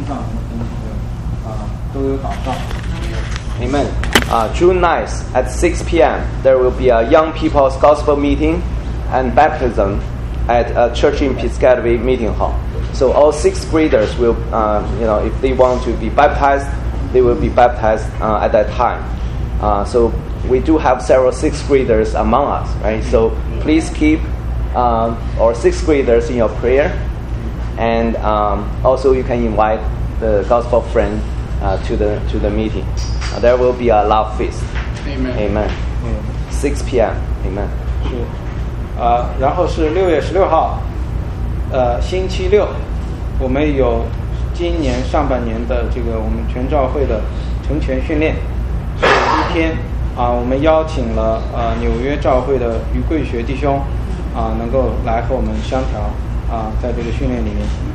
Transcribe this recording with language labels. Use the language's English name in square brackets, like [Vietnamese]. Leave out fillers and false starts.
[Chinese] 上什么东西的都有祷告。 [English] Amen. June 9th at 6 p.m. there will be a Young People's Gospel Meeting and Baptism at a church in Piscataway Meeting Hall. So all sixth graders will, you know, if they want to be baptized, they will be baptized at that time. So we do have several sixth graders among us, right? So please keep our sixth graders in your prayer. And also you can invite the gospel friend to the meeting. There will be a love feast. Amen. Amen. 6 p.m. Amen. [Chinese] 是，然后是6月16号，星期六，我们有今年上半年的这个我们全召会的成全训练，是一天，我们邀请了纽约召会的余贵学弟兄，能够来和我们相调，在这个训练里面，